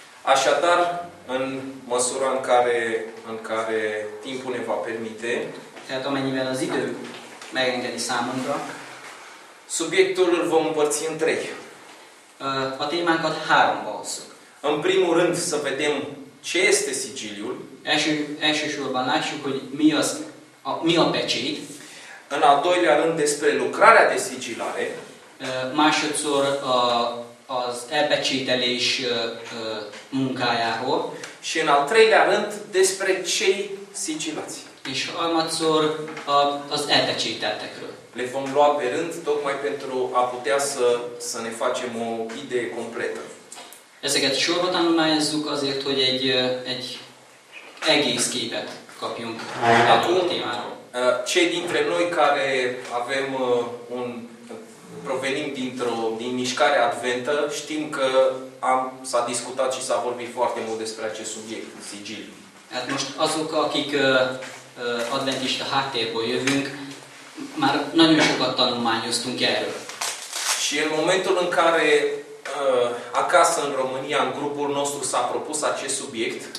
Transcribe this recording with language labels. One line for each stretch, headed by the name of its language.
Romanian: Așadar, în măsura în care timpul ne va permite,
Hungarian: tehát amennyivel az idő megengedi számunkra,
Romanian: subiectul îl vom împărți în trei.
Hungarian: A témánkat háromba osszuk.
Romanian: În primul rând să vedem ce este sigiliul.
Hungarian: Elsősorban lássuk, hogy mi a pecsét.
Romanian: În al doilea rând despre lucrarea de sigilare.
Hungarian: Másodszor az elpecsételés munkájáról.
Romanian: Și în al treilea rând despre cei szicsivaci.
Hungarian: És harmadszor az elpecsételtekről.
Romanian: Le vom lua pe rând, tocmai pentru a putea să ne facem o idee completă.
Hungarian: Ezeket sorba tanulmányozzuk azért, hogy egy egész képet kapjunk a témáról.
Romanian: Cei dintre noi care avem un provenim din mișcarea adventă, știm că s-a discutat și s-a vorbit foarte mult despre acest subiect, sigiliu.
Hungarian: Hát most azok, akik adventista háttérből jövünk, már nagyon sokat tanulmányoztunk erről.
Romanian: Și în momentul în care acasă în România în grupul nostru s-a propus acest subiect,